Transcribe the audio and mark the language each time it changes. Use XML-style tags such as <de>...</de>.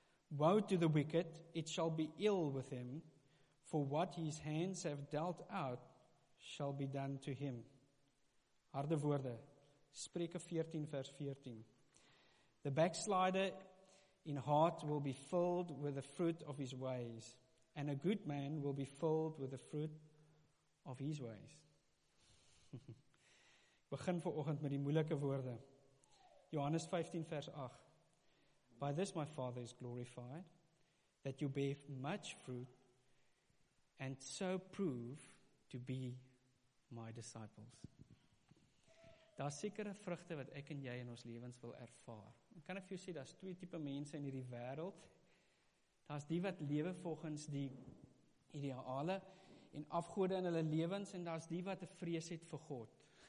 <en>Woe to the wicked, it shall be ill with him, for what his hands have dealt out shall be done to him.</en> <af>Harde woorde, Spreuke 14 vers 14.</af> <en>The backslider in heart will be filled with the fruit of his ways, and a good man will be filled with the fruit of his ways.</en> <af>Begin vir oggend met die moeilike woorde. Johannes 15 vers 8.</af> <en>By this my Father is glorified, that you bear much fruit, and so prove to be my disciples.</en> <af>Daar is sekere vrugte wat ek en jy in ons lewens wil ervaar. Kan ek vir jou sê, daar is twee type mense in hierdie wêreld. Daar is die wat lewe volgens die ideale en afgode in hulle lewens, en daar is die wat 'n vrees het vir God.</af>